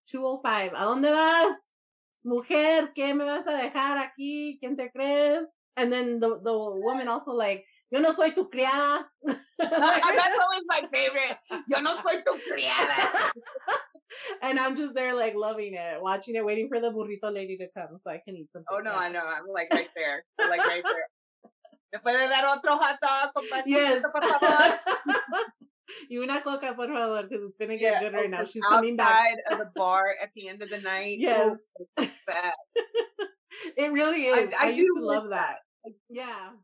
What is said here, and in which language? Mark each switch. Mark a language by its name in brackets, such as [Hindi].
[Spanish] 205, ¿a dónde vas? Mujer, ¿qué me vas a dejar aquí? ¿Quién te crees? [English] And then the woman also like, [Spanish] yo no soy tu criada. [English] That's always my favorite. [Spanish] Yo no soy tu criada. [English] And I'm just there like loving it, watching it, waiting for the burrito lady to come so I can eat something. Oh, no, I know. I'm like right there. [Spanish] ¿Me puede dar otro hot dog con pastelito, [English] yes. [Spanish] por favor? Y una coca, por favor, [English] because it's going to get good right now. She's outside coming back. Outside of the bar at the end of the night. Yes. It really is. I do love that. Yeah.